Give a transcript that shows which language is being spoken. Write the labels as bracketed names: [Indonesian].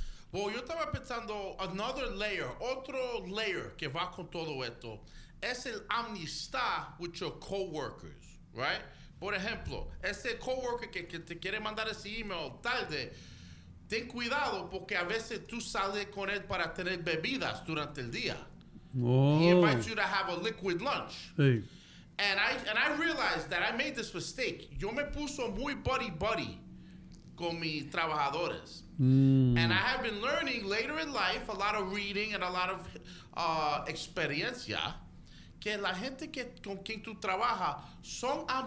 [Spanish] Bueno, yo estaba pensando, [English] another layer, [Spanish] otro layer que va con todo esto, es el amistad [English] with your coworkers, right? [Spanish] Por ejemplo, ese coworker que te quiere mandar ese email tarde, ten cuidado porque a veces tú sales con él para tener bebidas durante el día. Oh. [English] He invites you to have a liquid lunch. Hey. And I realized that I made this mistake. [Spanish] Yo me puso muy buddy-buddy con mis trabajadores. [English] And I have been learning later in life, a lot of reading and a lot of experiencia, [Spanish] que la gente con quien tú trabajas son